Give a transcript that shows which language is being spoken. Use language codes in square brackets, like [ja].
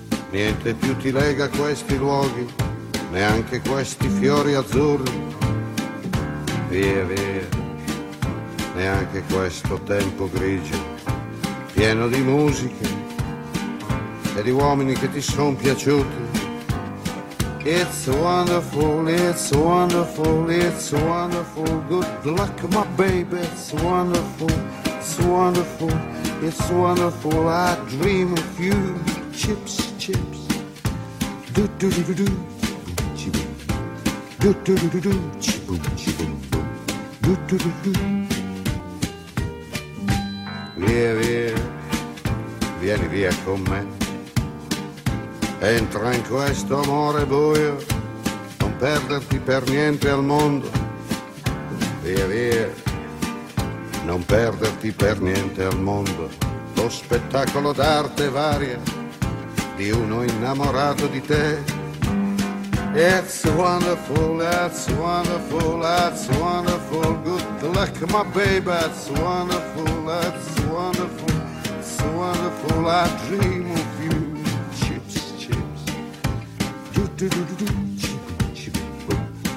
[it] Niente più ti lega a questi luoghi, neanche questi fiori azzurri. Via, via, neanche questo tempo grigio, pieno di musiche e di uomini che ti son piaciuti. [en] It's wonderful, it's wonderful, it's wonderful. Good luck, my baby, it's wonderful. It's wonderful, it's wonderful. I dream of you, chips, chips. Do do do do do, chip boom. Do do do do do, chip boom, chip boom boom. Do do do do. [it] Via via, vieni via con me. Entra in questo amore buio, non perderti per niente al mondo. Via via. Non perderti per niente al mondo, lo spettacolo d'arte varia di uno innamorato di te. [en] It's wonderful, that's wonderful, that's wonderful. Good luck, my baby, that's wonderful, that's wonderful. It's wonderful, I dream of you. Chips, chips. Do do do do do, chip, chip, boom.